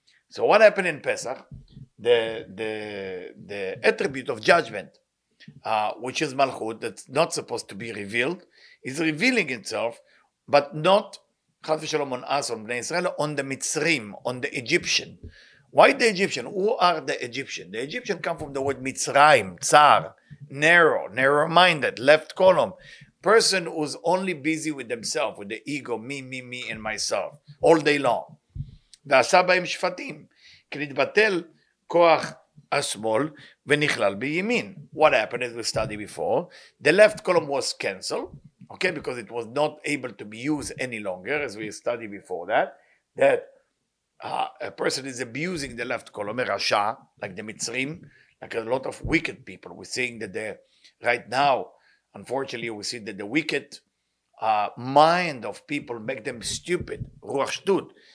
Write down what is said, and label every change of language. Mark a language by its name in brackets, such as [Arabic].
[English] So what happened in Pesach? The attribute of judgment, which is Malchut, that's not supposed to be revealed, is revealing itself, but not Chas v'Shalom on us, on Bnei Israel, on the Mitzrim, on the Egyptian. Why the Egyptian? Who are the Egyptian? The Egyptian come from the word Mitzrayim, Tzar, narrow-minded, left column. Person who's only busy with themselves, with the ego, me, and myself, all day long. [Hebrew] ועשה בהם שפטים, כי נתבטל כוח השמאל ונכלל בימין. [English] What happened as we studied before? The left column was canceled, okay, because it was not able to be used any longer, as we studied before that a person is abusing the left column, רשא, like the מצרים, like a lot of wicked people. We're seeing that right now, unfortunately, we see that the wicked mind of people make them stupid, [Hebrew] רוח שטות.